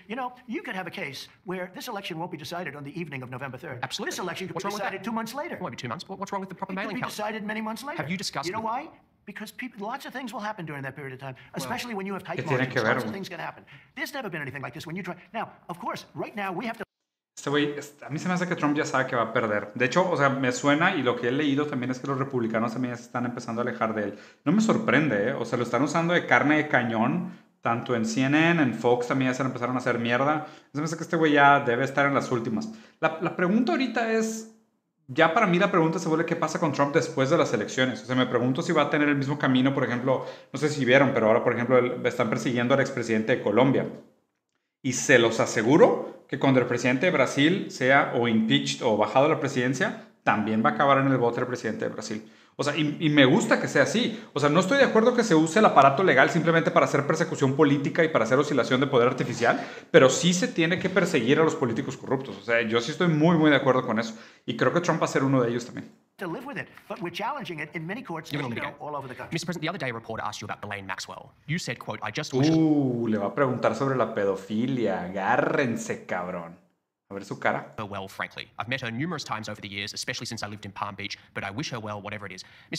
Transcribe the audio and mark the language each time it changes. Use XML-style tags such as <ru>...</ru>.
<en>You know, you could have a case where this election won't be decided on the evening of November 3rd. Absolutely. This election could What's be decided 2 months later. It won't be 2 months. What's wrong with the proper mailing count? It could be decided many months later. Have you discussed it? You know why? Because lots of things will happen during that period of time, especially when you have tight margins. Lots of things can happen. There's never been anything like this when you try. Now, of course, right now we have to.</en> <es>Este güey, a mí se me hace que Trump ya sabe que va a perder. De hecho, o sea, me suena y lo que he leído también es que los republicanos también se están empezando a alejar de él. No me sorprende, ¿eh? O sea, lo están usando de carne de cañón, tanto en CNN, en Fox también ya se empezaron a hacer mierda. Se me hace que este güey ya debe estar en las últimas. La pregunta ahorita es, ya para mí la pregunta se vuelve qué pasa con Trump después de las elecciones. O sea, me pregunto si va a tener el mismo camino, por ejemplo, no sé si vieron, pero ahora, por ejemplo, están persiguiendo al expresidente de Colombia. Y se los aseguro que cuando el presidente de Brasil sea o impeached o bajado a la presidencia, también va a acabar en el bote el presidente de Brasil. O sea, y me gusta que sea así. O sea, no estoy de acuerdo que se use el aparato legal simplemente para hacer persecución política y para hacer oscilación de poder artificial, pero sí se tiene que perseguir a los políticos corruptos. O sea, yo sí estoy muy, muy de acuerdo con eso. Y creo que Trump va a ser uno de ellos también.</es> <en>To live with it, but we're challenging it in many courts all over the country. Mr. President, the other day a reporter asked you about Ghislaine Maxwell. You said, quote, I just wish...</en> <es>le va a preguntar sobre la pedofilia. Agárrense, cabrón. A ver su cara.</es> <en>Well, frankly, I've met her numerous times over the years, especially since I lived in Palm Beach, but I wish her well, whatever it is. Mr.</en>